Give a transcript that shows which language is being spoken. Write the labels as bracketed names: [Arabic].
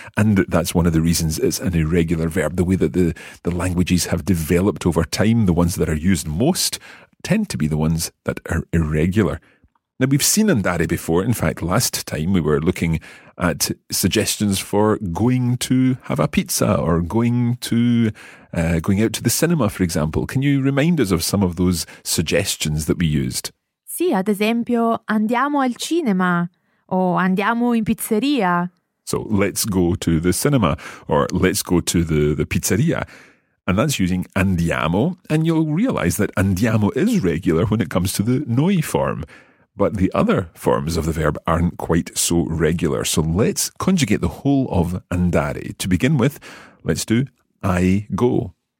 [English] And that's one of the reasons it's an irregular verb. The way that the languages have developed over time, the ones that are used most tend to be the ones that are irregular. Now, we've seen andare before. In fact, last time we were looking at suggestions for going to have a pizza or going out to the cinema, for example. Can you remind us of some of those suggestions that we used? [Italian] Sì, ad esempio, andiamo al cinema o andiamo in pizzeria. [English] So, let's go to the cinema or let's go to the pizzeria. And that's using andiamo. And you'll realize that andiamo is regular when it comes to the noi form. But the other forms of the verb aren't quite so regular. So let's conjugate the whole of andare. To begin with, let's do I go.